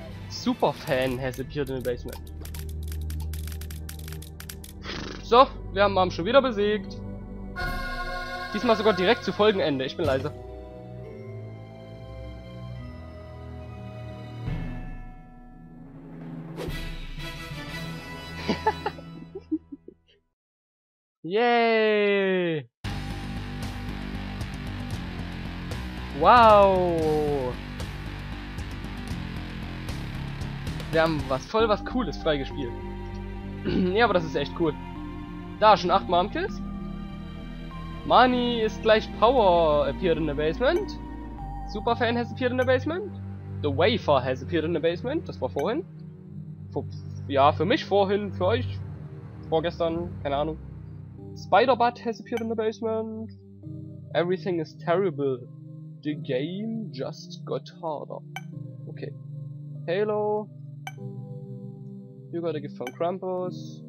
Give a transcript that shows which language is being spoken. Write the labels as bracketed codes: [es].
[en] Super Fan has appeared in the basement. [de] So, wir haben Marm schon wieder besiegt. Diesmal sogar direkt zu Folgenende. Ich bin leise. Yay! Wow! Wir haben was voll was Cooles freigespielt. Ja, aber das ist echt cool. Da, schon 8 Marmkills. Mani ist gleich [en] Power appeared in the basement. Superfan has appeared in the basement. The Wafer has appeared in the basement. [de] Das war vorhin. Für mich vorhin, für euch. Vorgestern, keine Ahnung. [en] Spider-Butt has appeared in the basement. Everything is terrible. The game just got harder. Okay. Halo. You got a gift from Krampus.